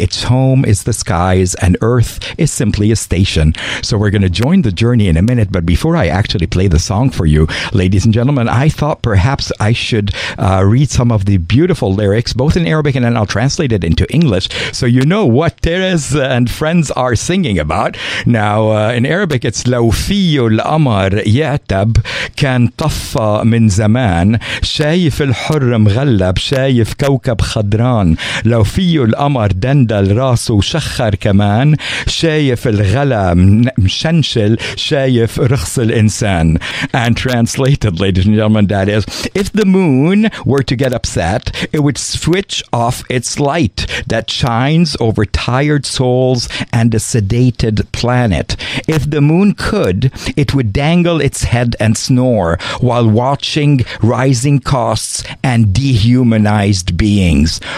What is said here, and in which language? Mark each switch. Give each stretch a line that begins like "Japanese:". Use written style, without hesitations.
English: Its home is the skies, and Earth is simply a station. So we're going to join the journey in a minute. But before I actually play the song for you, ladies and gentlemen, I thought perhaps I should read some of the beautiful lyrics, both in Arabic, and then I'll translate it into English, so you know what Therese and friends are singing about. Now, in Arabic, it's
Arabic: لو في الأمر يعتب كان طفى من زمان شايف الحر مغلب شايف كوكب خضران لو في الأمر دندل راس وشخر كمان شايف الغلا مشنشل شايف رخص الإنسان.
English: And translated, ladies and gentlemen, that is, if the moon were to get upset, it would switch off its light that shines over tired souls and a sedated planet. If the moon could, it would dangle its head and snore while watching rising costs and dehumanized beings.